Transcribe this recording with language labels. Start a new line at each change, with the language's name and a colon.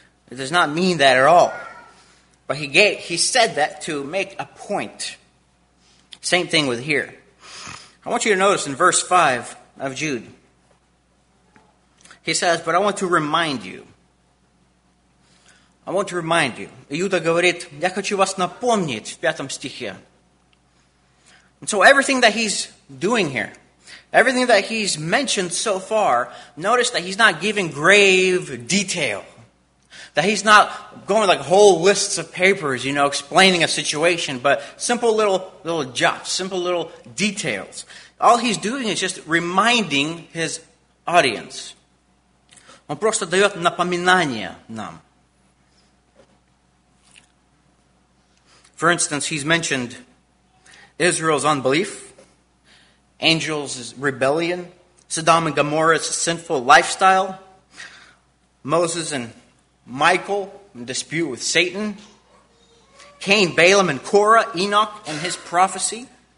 English: It does not mean that at all. But he said that to make a point. Same thing with here. I want you to notice in verse 5 of Jude, he says, but I want to remind you. I want to remind you.
Russian: Иуда говорит, я хочу вас напомнить в пятом стихе.
English: And so everything that he's doing here, everything that he's mentioned so far, notice that he's not giving grave detail. That he's not going like whole lists of papers, you know, explaining a situation, but simple little jots, simple little details. All he's doing is just reminding his audience.
Russian: Он просто дает напоминание нам.
English: For instance, he's mentioned Israel's unbelief, angels' rebellion, Sodom and Gomorrah's sinful lifestyle, Moses and Michael in dispute with Satan, Cain, Balaam, and Korah, Enoch and his prophecy.